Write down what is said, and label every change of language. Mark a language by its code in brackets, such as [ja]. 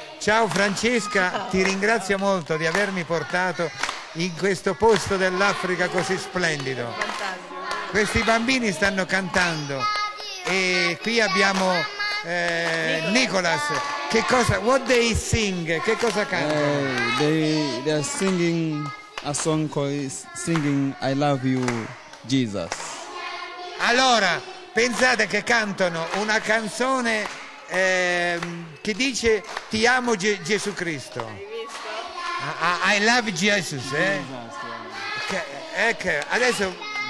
[it] Ciao Francesca, ti ringrazio molto di avermi portato in questo posto dell'Africa così splendido. Questi bambini stanno cantando e qui abbiamo Nicolas. Che cosa? [en] What they sing? [it] Che cosa canta? [en] They are singing a song called singing I love you Jesus. [it] Allora, pensate che cantano una canzone che dice ti amo Gesù Cristo. [en] I love Jesus, [it] ecco, adesso.